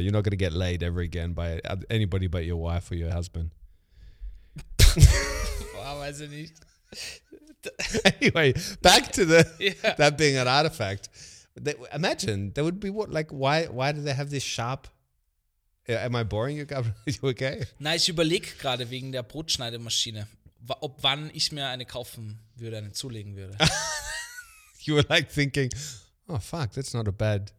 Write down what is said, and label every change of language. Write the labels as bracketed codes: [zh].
[en] You're not going to get laid ever again by anybody but your wife or your husband. Anyway, back to the that being an artifact. Imagine, there would be what, like, why do they have this sharp... Am I boring you, Gabriel? Are you okay? [de] Na, ich überleg gerade wegen der Brotschneidemaschine, ob wann ich mir eine kaufen würde, eine zulegen würde. [en] You were like thinking, oh fuck, that's not a bad...